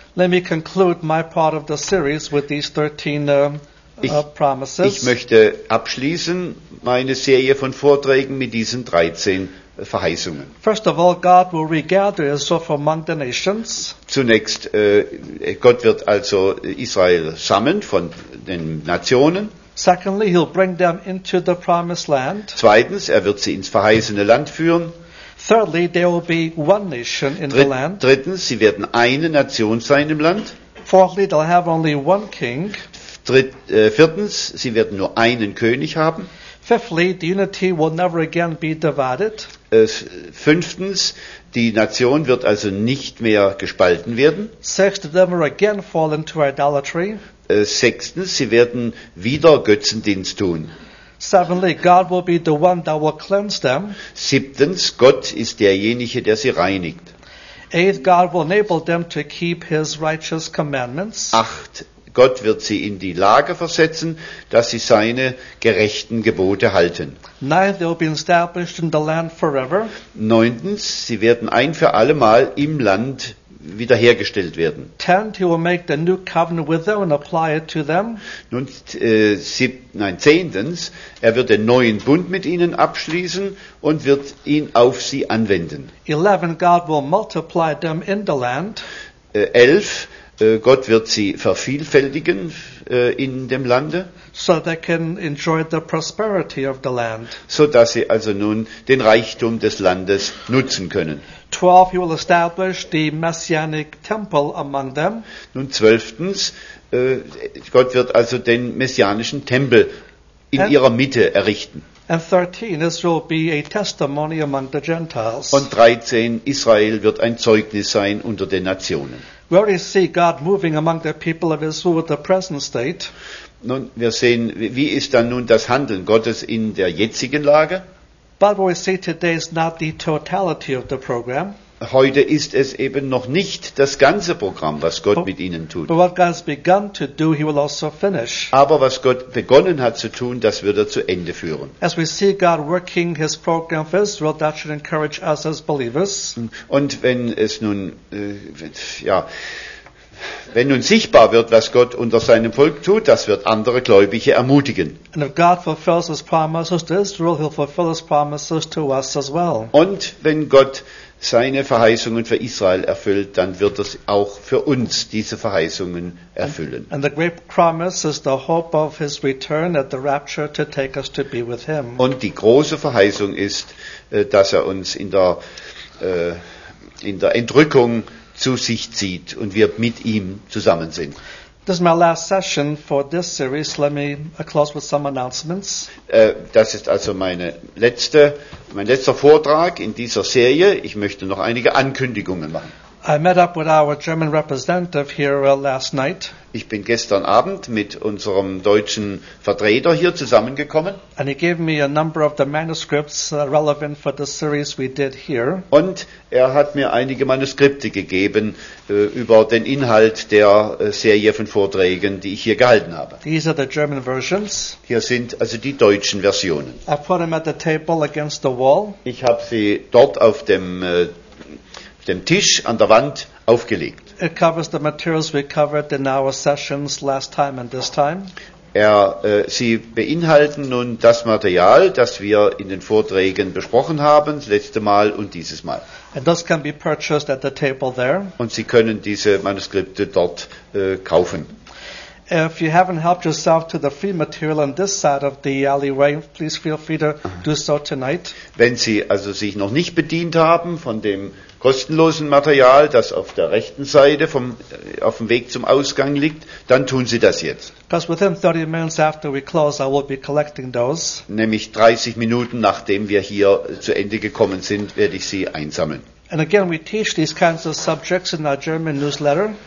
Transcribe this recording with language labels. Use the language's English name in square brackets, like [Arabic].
[English] Let me conclude my part of the series with these 13 promises. [German] Ich möchte abschließen meine Serie von Vorträgen mit diesen 13 Verheißungen. [English] First of all, God will regather Israel from among the nations. [German] Zunächst, Gott wird also Israel sammeln von den Nationen. [English] Secondly, he'll bring them into the promised land. [German] Zweitens, wird sie ins verheißene Land führen. [English] Thirdly, there will be one nation in the land. [German] Drittens, sie werden eine Nation sein im Land. [English] Fourthly, they'll have only one king. [German] Viertens, sie werden nur einen König haben. [English] Fifthly, the unity will never again be divided. [German] Fünftens, die Nation wird also nicht mehr gespalten werden. [English] Sixthly, they will again fall into idolatry. [German] Sechstens, sie werden wieder Götzendienst tun. [English] Seventhly, God will be the one that will cleanse them. [German] Siebtens, Gott ist derjenige, der sie reinigt. [English] Eighth, God will enable them to keep his righteous commandments. [German] Acht, Gott wird sie in die Lage versetzen, dass sie seine gerechten Gebote halten. [English] Ninth, they will be established in the land forever. [German] Neuntens, sie werden ein für alle Mal im Land wiederhergestellt werden. [English] Tenth, he will make the new covenant with them and apply it to them. [German] Zehntens, wird den neuen Bund mit ihnen abschließen und wird ihn auf sie anwenden. [English] 11, God will multiply them in the land. [German] Elf, Gott wird sie vervielfältigen in dem Lande. [English] So they can enjoy the prosperity of the land. [German] So dass sie also nun den Reichtum des Landes nutzen können. [English] 12, he will establish the messianic temple among them. [German] Nun zwölftens, Gott wird also den messianischen Tempel in ihrer Mitte errichten. [English] And 13, Israel will be a testimony among the Gentiles. [German] Und 13, Israel wird ein Zeugnis sein unter den Nationen. [English] We already see God moving among the people of Israel with the present state. [German] Nun, wir sehen, wie ist dann nun das Handeln Gottes in der jetzigen Lage? [English] But what we see today is not the totality of the program. [German] Heute ist es eben noch nicht das ganze Programm, was Gott mit ihnen tut. [English] But what God has begun to do, he will also finish. [German] Aber was Gott begonnen hat zu tun, das wird zu Ende führen. [English] As we see God working his program for Israel, that should encourage us as believers. [German] Und wenn es nun, wenn nun sichtbar wird, was Gott unter seinem Volk tut, das wird andere Gläubige ermutigen. [English] And if God fulfills his promises to Israel, he'll fulfill his promises to us as well. [German] Und wenn Gott seine Verheißungen für Israel erfüllt, dann wird es auch für uns diese Verheißungen erfüllen. [English] And the great promise is the hope of his return at the rapture to take us to be with him. [German] Und die große Verheißung ist, dass uns in der Entrückung zu sich zieht und wir mit ihm zusammen sind. [English] This is my last session for this series. Let me close with some announcements. [German] Das ist also mein letzter Vortrag in dieser Serie. Ich möchte noch einige Ankündigungen machen. [English] I met up with our German representative here last night. [German] Ich bin gestern Abend mit unserem deutschen Vertreter hier zusammengekommen. [English] And he gave me a number of the manuscripts relevant for the series we did here. [German] Und er hat mir einige Manuskripte gegeben über den Inhalt der Serie von Vorträgen, die ich hier gehalten habe. [English] These are the German versions. [German] Hier sind also die deutschen Versionen. [English] I put them at the table against the wall. [German] Ich habe sie dort auf dem dem Tisch an der Wand aufgelegt. [English] It covers the materials we covered in our sessions last time and this time. [German] Sie beinhalten nun das Material, das wir in den Vorträgen besprochen haben, das letzte Mal und dieses Mal. [English] And those can be purchased at the table there. [German] Und Sie können diese Manuskripte dort kaufen. [English] If you haven't helped yourself to the free material on this side of the alleyway, please feel free to do so tonight. [German] Wenn Sie also sich noch nicht bedient haben von dem kostenlosen Material, das auf der rechten Seite auf dem Weg zum Ausgang liegt, dann tun Sie das jetzt. [English] Because within 30 minutes after we close, I will be collecting those. [German] Nämlich 30 Minuten nachdem wir hier zu Ende gekommen sind, werde ich sie einsammeln. [English] And again, we teach these kinds of subjects in our German newsletter.